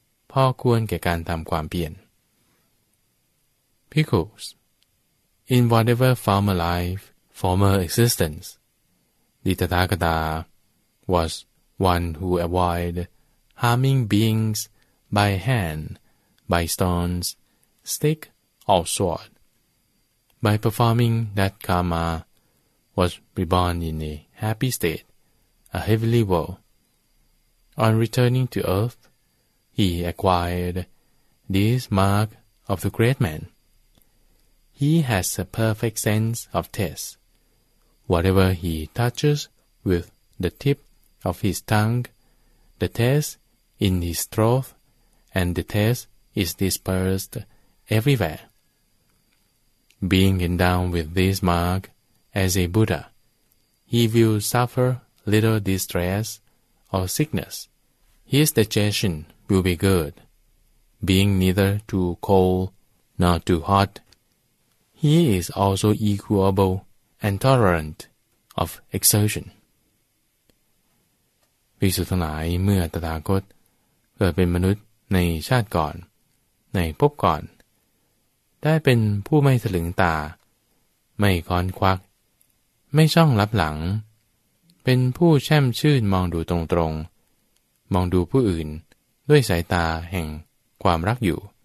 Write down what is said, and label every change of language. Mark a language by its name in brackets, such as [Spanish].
[Thai] พอควรแก่การทำความเพียร [English] Pickles In whatever former life, former existence, the Tathagata was one who avoided harming beings by hand, by stones, stick or sword. By performing that karma, was reborn in a happy state, a heavenly world. On returning to earth, he acquired this mark of the great man. He has a perfect sense of taste. Whatever he touches with the tip of his tongue, the taste in his throat, and the taste is dispersed everywhere. Being endowed with this mark as a Buddha, he will suffer little distress or sickness. His digestion will be good, being neither too cold nor too hot. He is also equable and tolerant of exertion. [Thai] ภิกษุทั้งหลายเมื่อตถาคตเกิดเป็นมนุษย์ในชาติก่อนในภพก่อนได้เป็นผู้ไม่ถลึงตาไม่ค้อนควักไม่ช่องลับหลังเป็นผู้แช่มชื่นมองดูตรงๆมองดูผู้อื่นด้วยสายตาแห่งความรักอยู่